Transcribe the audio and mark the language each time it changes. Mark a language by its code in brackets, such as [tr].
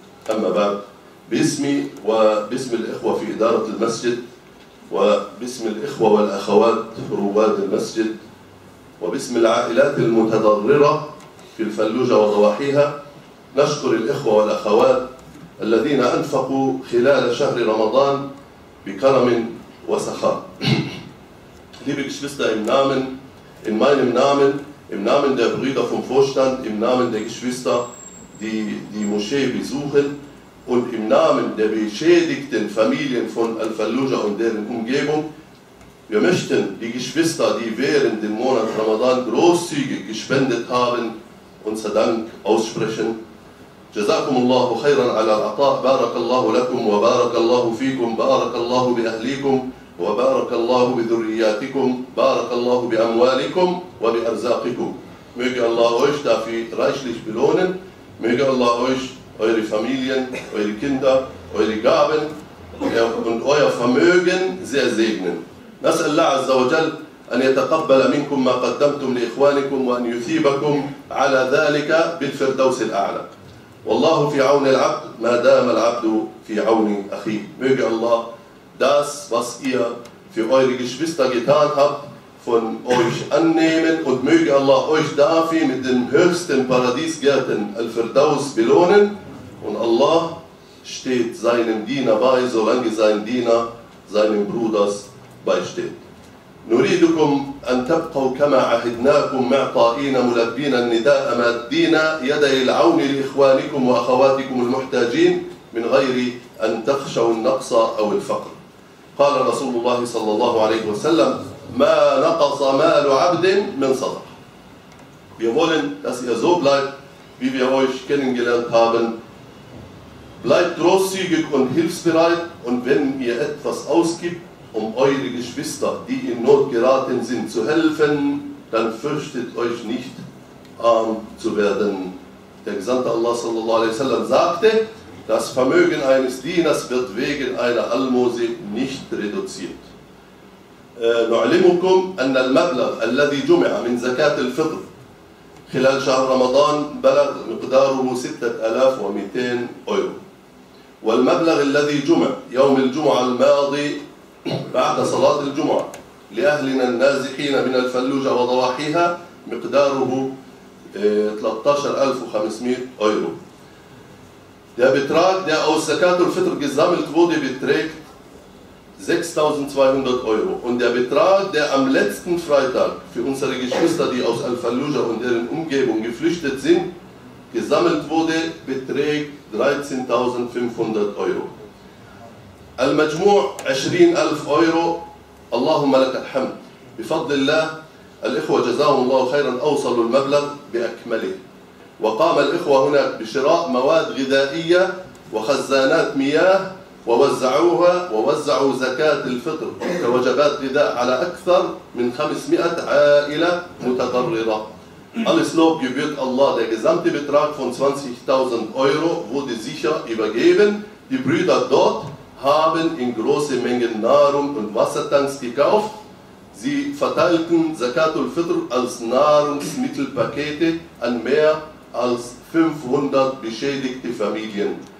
[ar] أما بعد، باسمي وباسم الإخوة في إدارة المسجد، وباسم الإخوة والأخوات رواد المسجد، وباسم العائلات المتضررة في الفلوجة وضواحيها، نشكر الإخوة والأخوات الذين أنفقوا خلال شهر رمضان بكرم وسخاء. [de] Liebe Geschwister, im Namen, in meinem Namen im Namen der Brüder vom Vorstand, im Namen der Geschwister, die die Moschee besuchen, und im Namen der beschädigten Familien von Al-Fallujah und deren Umgebung. Wir möchten die Geschwister, die während dem Monat Ramadan großzügig gespendet haben, unser Dank aussprechen. [ar] جزاكم الله خيرا على العطاء بارك الله لكم وبارك الله فيكم بارك الله بأهليكم وبارك الله بذرياتكم بارك الله بأموالكم وبأرزاقكم. [de] Möge Allah euch dafür reichlich belohnen. Möge Allah euch eure Familien, eure Kinder, eure Gaben und euer Vermögen sehr segnen. [ar] نسأل الله عز وجل أن يتقبل منكم ما قدمتم لإخوانكم وأن يثيبكم على ذلك بالفردوس الأعلى. والله في عون العبد ما دام العبد في عون أخيه. [de] Möge Allah das, was ihr für eure Geschwister getan habt, von euch annehmen, und möge Allah euch dafür mit den höchsten Paradiesgärten Al-Firdaus belohnen. Und Allah steht seinem Diener bei, solange sein Diener seinem Bruders beisteht. [ar] نريدكم أن تبقوا كما عهدناكم معطائين ملبين النداء مادين يدي العون لإخوانكم وأخواتكم المحتاجين من غير أن تخشوا النقص أو الفقر. قال رسول الله صلى الله عليه وسلم ما نقص مال عبد من صدقه. [de] Wir wollen, dass ihr so bleibt, wie wir euch kennengelernt haben. Bleibt großzügig und hilfsbereit, und wenn ihr etwas ausgibt, um eure Geschwister, die in Not geraten sind, zu helfen, dann fürchtet euch nicht, arm zu werden. Der Gesandte Allah sallallahu alaihi wasallam sagte, das Vermögen eines Dieners wird wegen einer Almose nicht reduziert. [ar] نعلمكم أن المبلغ الذي جمع من زكاة الفطر خلال شهر رمضان بلغ مقداره 6200 أورو. والمبلغ الذي جمع يوم الجمعة الماضي بعد صلاة الجمعة لأهلنا النازحين من الفلوجة وضواحيها مقداره 13500 أورو. [de] Der Betrag, der aus Zakat al-Fitr gesammelt wurde, beträgt 6200 Euro. Und der Betrag, der am letzten Freitag für unsere Geschwister, die aus Al-Fallujah und deren Umgebung geflüchtet sind, gesammelt wurde, beträgt 13500 Euro. [ar] المجموع 20000 Euro. اللهم لك الحمد. بفضل الله الإخوة جزاهم الله خيرا أوصلوا المبلغ بأكمله. وقام الإخوة هناك بشراء مواد غذائية وخزانات مياه ووزعوها ووزعوا زكاة الفطر كوجبات غذاء على أكثر من 500 عائلة متضررة. [de] Alles Lob gebührt Allah. Der gesamte Betrag von 20.000 Euro wurde sicher übergeben. Die Brüder dort haben in große Mengen Nahrung und Wassertanks gekauft. Sie verteilten Zakat al-Fitr als Nahrungsmittelpakete an mehr als 500 beschädigte Familien.